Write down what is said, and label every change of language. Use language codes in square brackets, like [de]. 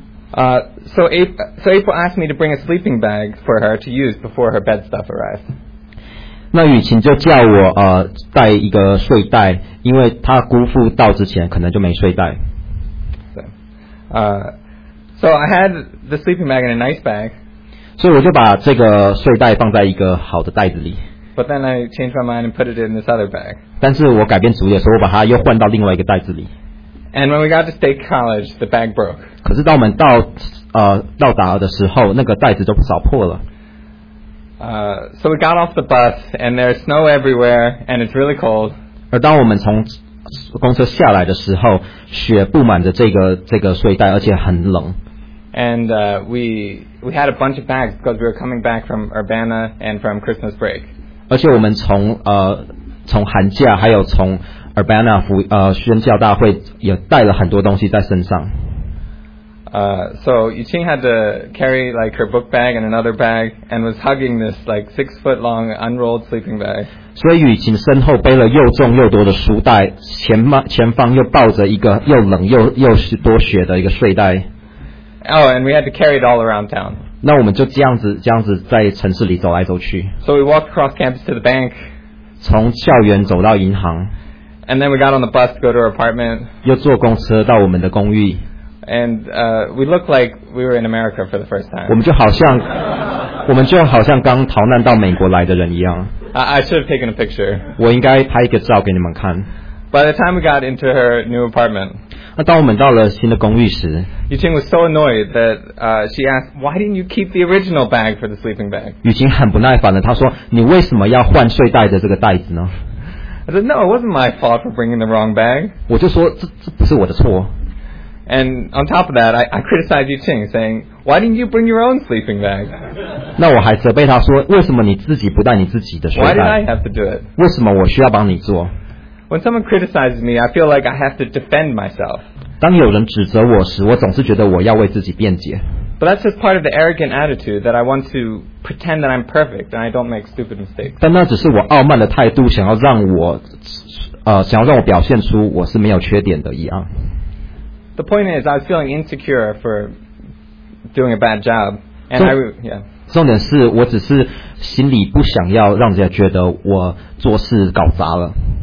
[en] So April asked me to bring a sleeping bag for her to use before her bed stuff arrived. [zh] 那雨晴就叫我带一个睡袋，因为他姑父到之前可能就没睡袋。 [en] So I had the sleeping bag in a nice bag. [zh] 所以我就把这个睡袋放在一个好的袋子里。 [en] But then I changed my mind and put it in this other bag. [zh] 但是我改变主意的时候，我把它又换到另外一个袋子里。 [en] And when we got to State College, the bag broke. [zh] 可是当我们到达的时候，那个袋子就扫破了。 [en] So we got off the bus, and there's snow everywhere, and it's really cold. [zh] 而当我们从公车下来的时候，雪布满着这个睡袋，而且很冷。 [en] And we had a bunch of bags because we were coming back from Urbana and from Christmas break. [zh] 而且我们从寒假还有从 Urbana 宣教大会也带了很多东西在身上。 [en] So Yuqing had to carry like her book bag and another bag and was hugging this like 6 foot long unrolled sleeping bag. [zh] 所以雨晴身后背了又重又多的书袋，前方又抱着一个又冷又是多雪的一个睡袋。 [en] Oh, and we had to carry it all around town. [zh] 那我们就这样子在城市里走来走去。 [en] So we walked across campus to the bank. [zh] 从校园走到银行。 [en] And then we got on the bus to go to our apartment. [zh] 又坐公车到我们的公寓。 [en] And we looked like we were in America for the first time. [zh] 我们就好像刚逃难到美国来的人一样。 [en] I should have taken a picture. [zh] 我应该拍一个照给你们看。 [en] By the time we got into her new apartment, [zh] 那当我们到了新的公寓时 [en] ，Yuqing was so annoyed that she asked, "Why didn't you keep the original bag for the sleeping bag?" [zh] 雨晴很不耐烦的，她说：“你为什么要换睡袋的这个袋子呢 [en] ？”I said, "No, it wasn't my fault for bringing the wrong bag." [zh] 我就说这不是我的错。 [en] And on top of that, I criticized Yuqing, saying, "Why didn't you bring your own sleeping bag?" [zh] 那我还责备她说：“为什么你自己不带你自己的睡袋 [en] ？”Why did I have to do it? [zh] 为什么我需要帮你做？ [en] When someone criticizes me, I feel like I have to defend myself. [zh] 当有人指责我时，我总是觉得我要为自己辩解。 [en] But that's just part of the arrogant attitude that I want to pretend that I'm perfect and I don't make stupid mistakes. [zh] 但那只是我傲慢的态度，想要让我，想要让我表现出我是没有缺点的一样。 [en] The point is, I was feeling insecure for doing a bad job, and I yeah. [zh] 重点是我只是心里不想要让人家觉得我做事搞砸了。